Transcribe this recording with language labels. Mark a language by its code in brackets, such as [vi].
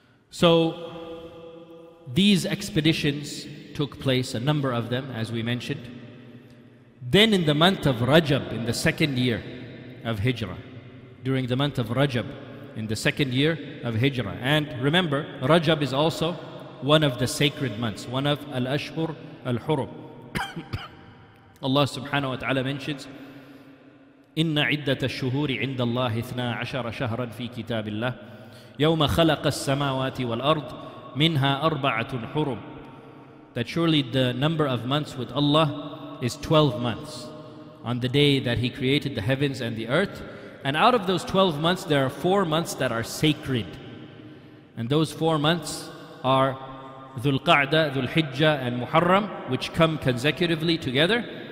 [en] So these expeditions took place, a number of them, as we mentioned. Then in the month of Rajab, in the second year of Hijrah, during the month of Rajab, in the second year of Hijrah. And remember, Rajab is also one of the sacred months, one of Al-Ashhur Al-Hurum. [ar] Allah subhanahu wa ta'ala mentions, إِنَّ عِدَّةَ الشُّهُورِ عِنْدَ اللَّهِ 12 شَهْرًا فِي كِتَابِ اللَّهِ يَوْمَ خَلَقَ السَّمَاوَاتِ وَالْأَرْضِ مِنْهَا أَرْبَعَةٌ حُرُمٌ. [en] That surely the number of months with Allah is 12 months on the day that He created the heavens and the earth. And out of those 12 months, there are 4 months that are sacred. And those 4 months are Dhul Qa'dah, Dhul Hijjah, and Muharram, which come consecutively together.